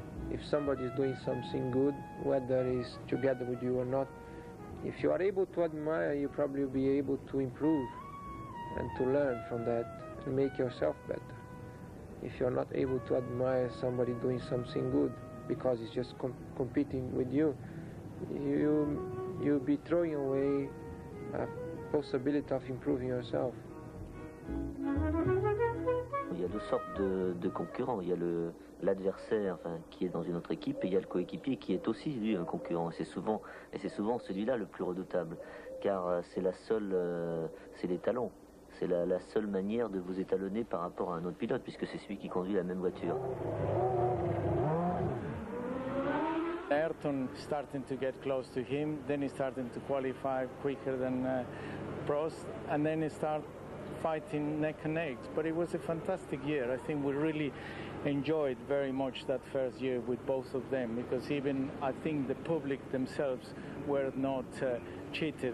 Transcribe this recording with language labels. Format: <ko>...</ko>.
<en>If somebody is doing something good, whether it's together with you or not, if you are able to admire, you probably will be able to improve and to learn from that and make yourself better. If you're not able to admire somebody doing something good because it's just competing with you, you'll be throwing away a possibility of improving yourself.</en> <fr>Il y a deux sortes de concurrents. Il y a l'adversaire enfin, qui est dans une autre équipe et il y a le coéquipier qui est aussi lui un concurrent. Et c'est souvent celui-là le plus redoutable, car c'est la seule, c'est les talons. C'est la seule manière de vous étalonner par rapport à un autre pilote, puisque c'est celui qui conduit la même voiture.</fr> <en>Ayrton starting to get close to him, then he starting to qualify quicker than Prost, and then he start fighting neck and neck, but it was a fantastic year. I think we really enjoyed very much that first year with both of them, because even I think the public themselves were not cheated.</en>